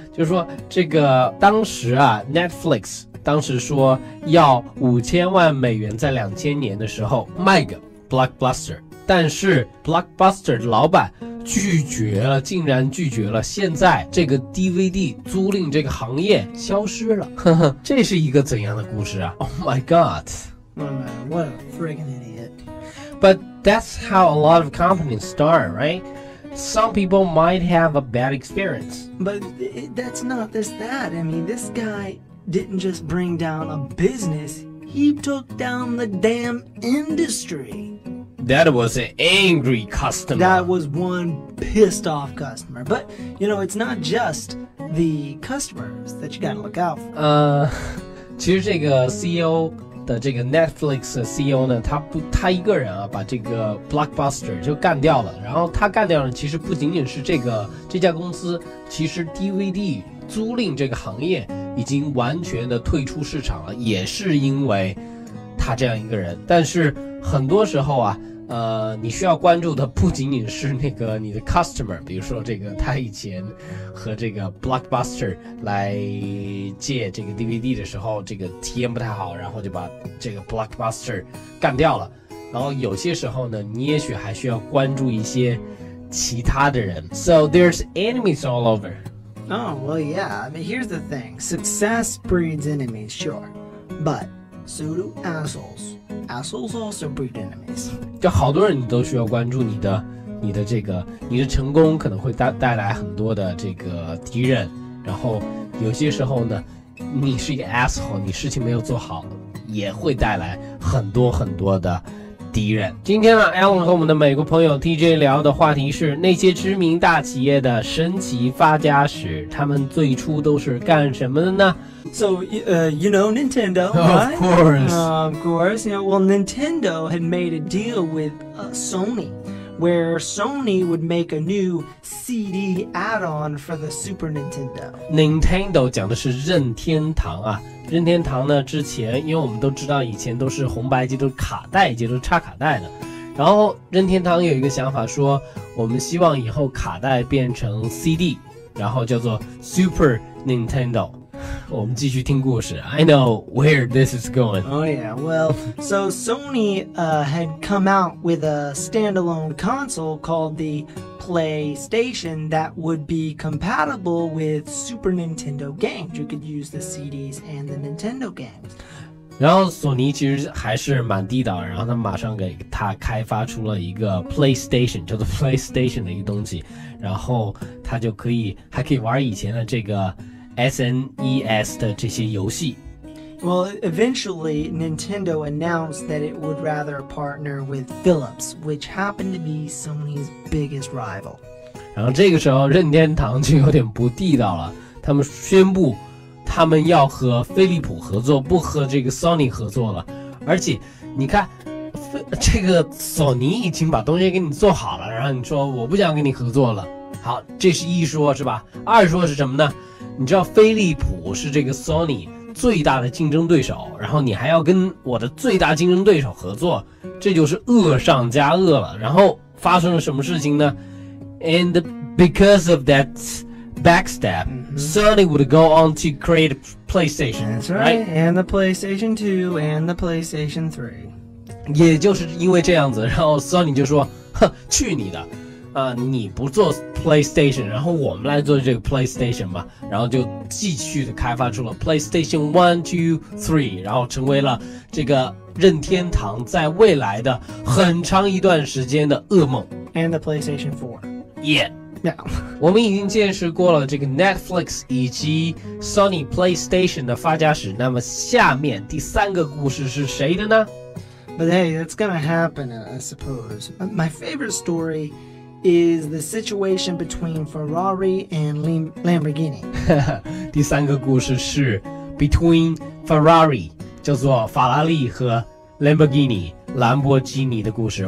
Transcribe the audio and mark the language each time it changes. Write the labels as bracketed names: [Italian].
[Chinese] 就是说这个当时啊， Netflix 当时说要$50,000,000在2000年的时候卖给 Blockbuster， 但是 Blockbuster 的老板竟然拒绝了。现在这个 DVD 租赁这个行业消失了，呵呵，这是一个怎样的故事啊？ [English] Oh my god, what a freaking idiot. But that's how a lot of companies start, rightSome people might have a bad experience. But that's not just that. I mean, this guy didn't just bring down a business. He took down the damn industry. That was an angry customer. That was one pissed off customer. But, you know, it's not just the customers that you gotta look out for. [Chinese] 其实这个 CEO 的这个 Netflix CEO 呢，他一个人啊，把这个 Blockbuster 就干掉了。然后他干掉了，其实不仅仅是这家公司，其实 DVD 租赁这个行业已经完全的退出市场了，也是因为他这样一个人。但是很多时候啊，你需要关注的不仅仅是那个你的 customer， 比如说这个他以前和这个 Blockbuster 来借这个 DVD 的时候，这个体验不太好，然后就把这个 Blockbuster 干掉了。然后有些时候呢，你也许还需要关注一些其他的人。 [English] So there's enemies all over. Oh, well, yeah. I mean, here's the thing. Success breeds enemies, sure. But so do assholes. Assholes also breed enemies. [Chinese] 就好多人你都需要关注你的这个，你的成功可能会带来很多的这个敌人。然后有些时候呢，你是一个 asshole， 你事情没有做好，也会带来很多很多的敌人。今天呢， Alan 和我们的美国朋友 TJ 聊的话题是那些知名大企业的神奇发家史，他们最初都是干什么的呢？ [English] So, you know Nintendo, right? Of course. You know, well, Nintendo had made a deal with Sony, where Sony would make a new CD add-on for the Super Nintendo. [Chinese] Nintendo 讲的是任天堂啊。任天堂呢，之前因为我们都知道以前都是红白机，都是卡带机，都是插卡带的。然后任天堂有一个想法说，我们希望以后卡带变成 CD， 然后叫做 Super Nintendo。我们继续听故事。 [English] I know where this is going. Oh yeah, well, so Sony, had come out with a standalone console called the PlayStation that would be compatible with Super Nintendo games. You could use the CDs and the Nintendo games. [Chinese] 然后索尼其实还是蛮地道，然后他马上给他开发出了一个 PlayStation， 叫做 PlayStation 的一个东西，然后他就可以还可以玩以前的这个 SNES 的这些游戏。 [English] Well, eventually Nintendo announced that it would rather partner with Philips, which happened to be Sony's biggest rival. [Chinese] 然后这个时候任天堂就有点不地道了，他们宣布。他们要和飞利浦合作，不和这个 Sony 合作了。而且你看这个索尼已经把东西给你做好了，然后你说我不想跟你合作了。好，这是一说，是吧？二说是什么呢？你知道飞利浦是这个 Sony 最大的竞争对手，然后你还要跟我的最大竞争对手合作，这就是恶上加恶了。然后发生了什么事情呢？ [English] And because of thatBackstab,、mm-hmm. Sony would go on to create PlayStation. That's right, and the PlayStation 2 and the PlayStation 3. [Chinese] 也就是因为这样子，然后 Sony 就说，哼，去你的，你不做 PlayStation， 然后我们来做这个 PlayStation 吧，然后就继续的开发出了 PlayStation 1, 2, 3， 然后成为了这个任天堂在未来的很长一段时间的噩梦。 [English] And the PlayStation 4. Yeah. Yeah. [Chinese] 我们已经见识过了这个 Netflix 以及 Sony PlayStation 的发家史，那么下面第三个故事是谁的呢？ [English] But hey, that's gonna happen, I suppose. My favorite story is the situation between Ferrari and Lamborghini. [Chinese] 第三个故事是 [English] between [Chinese] Ferrari, 叫做法拉利和 Lamborghini, 兰博基尼的故事。